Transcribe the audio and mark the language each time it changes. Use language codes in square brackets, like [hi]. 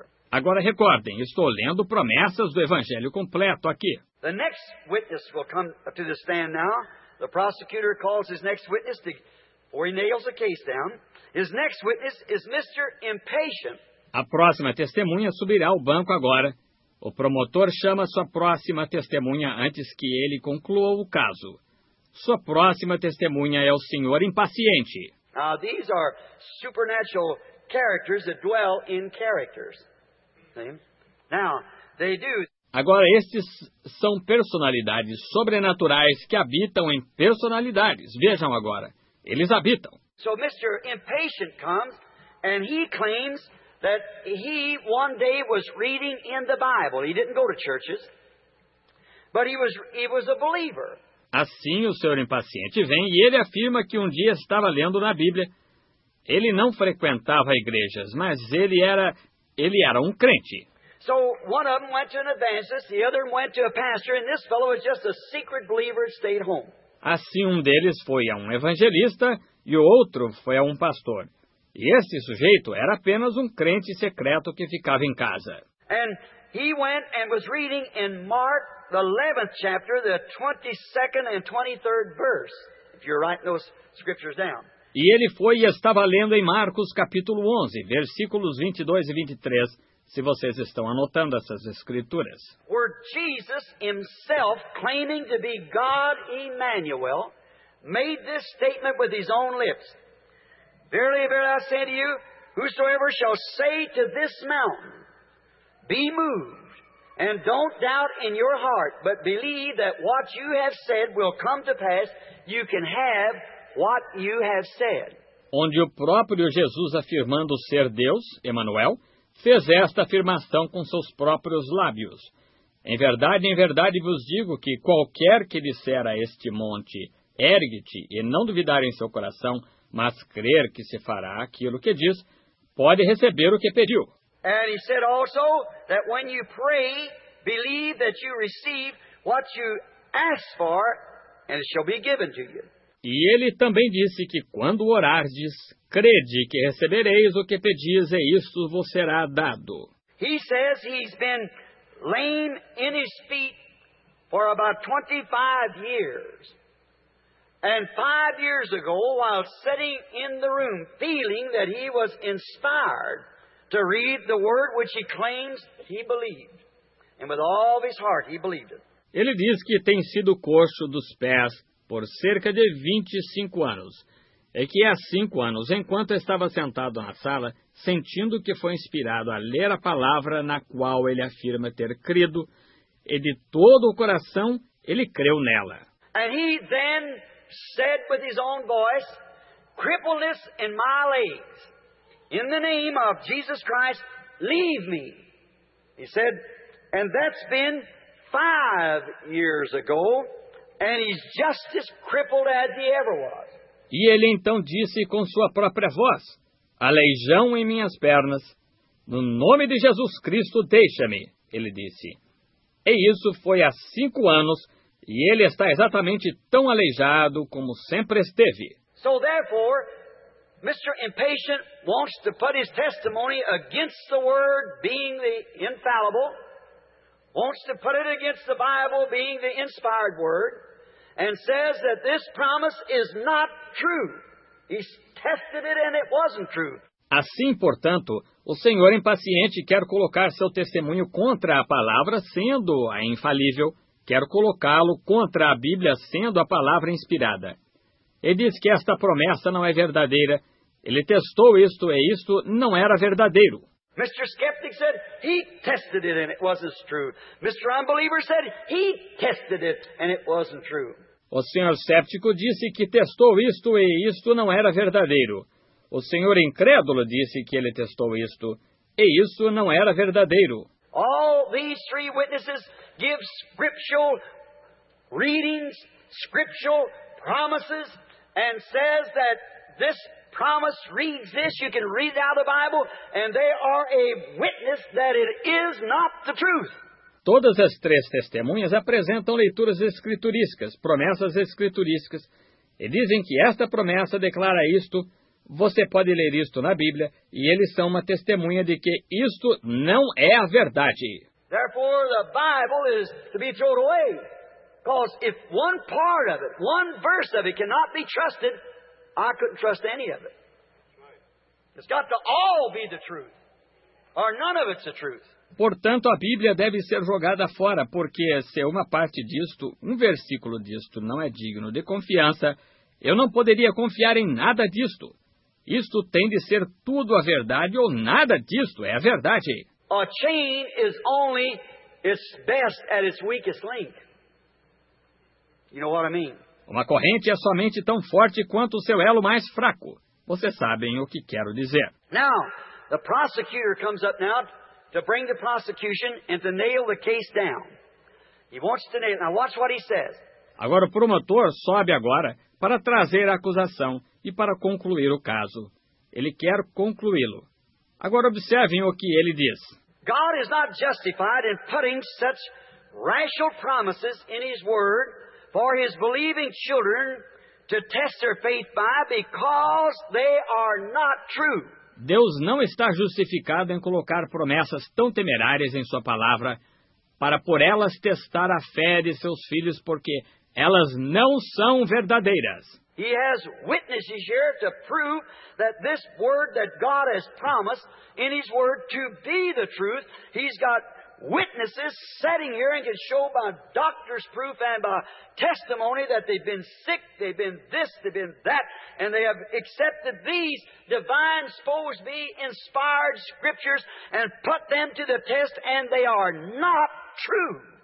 [pt] Agora recordem, estou lendo promessas do Evangelho completo aqui. [en] The next witness will come to the stand now. The prosecutor calls his next witness before he nails the case down. His next witness is Mr. Impatient. [pt] A próxima testemunha subirá ao banco agora. O promotor chama sua próxima testemunha antes que ele conclua o caso. Sua próxima testemunha é o senhor impaciente. [en] Now, these are supernatural characters that dwell in characters. Now, they do. [pt] Agora, estes são personalidades sobrenaturais que habitam em personalidades. Vejam agora, eles habitam. [en] So Mr. Impatient comes and he claims that he one day was reading in the Bible. He didn't go to churches, but he was a believer. [pt] Assim, o senhor impaciente vem e ele afirma que um dia estava lendo na Bíblia. Ele não frequentava igrejas, mas ele era um crente. [en] So one of them went to an Adventist, the other went to a pastor, and this fellow was just a secret believer that stayed home. [pt] Assim, um deles foi a um evangelista e o outro foi a um pastor. E esse sujeito era apenas um crente secreto que ficava em casa. [en] And he went and was reading in Mark, the 11th chapter, the 22nd and 23rd verse, if you're writing those scriptures down. [pt] E ele foi e estava lendo em Marcos, capítulo 11, versículos 22 e 23, se vocês estão anotando essas escrituras. [en] Where Jesus himself, claiming to be God Emmanuel, made this statement with his own lips. Verily, verily, I say to you, whosoever shall say to this mountain, be moved, and don't doubt in your heart, but believe that what you have said will come to pass, you can have what you have said. [pt] Onde o próprio Jesus, afirmando ser Deus, Emmanuel, fez esta afirmação com seus próprios lábios. Em verdade vos digo que qualquer que disser a este monte, ergue-te, e não duvidar em seu coração, mas crer que se fará aquilo que diz, pode receber o que pediu. [en] And he said also that when you pray, believe that you receive what you ask for, and it shall be given to you. [pt] E ele também disse que quando orardes, crede que recebereis o que pedis e isto vos será dado. [en] He says he's been lame in his feet for about 25 years. And 5 years ago, while sitting in the room, feeling that he was inspired to read the word which he claims he believed. And with all of his heart, he believed it. [pt] Ele diz que tem sido coxo dos pés por cerca de 25 anos. É que há 5 anos, enquanto estava sentado na sala, sentindo que foi inspirado a ler a palavra na qual ele afirma ter crido, e de todo o coração, ele creu nela. [en] And he then said with his own voice, cripple this in my legs, in the name of Jesus Christ, leave me. He said, and that's been 5 years ago, and he's just as crippled as he ever was. [pt] E ele então disse com sua própria voz, aleijão em minhas pernas, no nome de Jesus Cristo, deixa-me, ele disse. E isso foi há 5 anos, e ele está exatamente tão aleijado como sempre esteve. [en] So therefore, Mr. Impatient wants to put his testimony against the word being the infallible, wants to put it against the Bible being the inspired word, and says that this promise is not true. He tested it and it wasn't true. [pt] Assim, portanto, o senhor impaciente quer colocar seu testemunho contra a palavra sendo a infalível, quer colocá-lo contra a Bíblia sendo a palavra inspirada. Ele diz que esta promessa não é verdadeira. Ele testou isto e isto não era verdadeiro. [en] Mr. Skeptic said he tested it and it wasn't true. Mr. Unbeliever said he tested it and it wasn't true. [pt] O senhor cético disse que testou isto e isto não era verdadeiro. O senhor incrédulo disse que ele testou isto e isso não era verdadeiro. [en] All these three witnesses give scriptural readings, scriptural promises, and says that this promise reads this. You can read out of the Bible, and they are a witness that it is not the truth. [pt] Todas as três testemunhas apresentam leituras escriturísticas, promessas escriturísticas, e dizem que esta promessa declara isto. Você pode ler isto na Bíblia, e eles são uma testemunha de que isto não é a verdade. [en] Therefore, the Bible is to be thrown away. Because if one part of it, one verse of it cannot be trusted, I couldn't trust any of it. It's got to all be the truth, or none of it's the truth. [pt] Portanto, a Bíblia deve ser jogada fora, porque se uma parte disto, um versículo disto, não é digno de confiança, eu não poderia confiar em nada disto. Isto tem de ser tudo a verdade ou nada disto é a verdade. [en] A chain is only its best at its weakest link. You know what I mean? [pt] Uma corrente é somente tão forte quanto o seu elo mais fraco. Vocês sabem o que quero dizer. [en] Now, the prosecutor comes up now to bring the prosecution and to nail the case down. He wants to nail. Now watch what he says. [pt] Agora o promotor sobe agora para trazer a acusação e para concluir o caso. Ele quer concluí-lo. Agora observem o que ele diz. [en] God is not justified in putting such rational promises in his word for his believing children to test their faith by because they are not true. [pt] Deus não está justificado em colocar promessas tão temerárias em sua palavra para por elas testar a fé de seus filhos porque elas não são verdadeiras. [en] He has witnesses here to prove that this word that God has promised in his word to be the truth. He's got witnesses sitting here and can show by doctor's proof and by testimony that they've been sick, they've been this, they've been that, and they have accepted these divine, supposed to be inspired scriptures and put them to the test, and they are not true.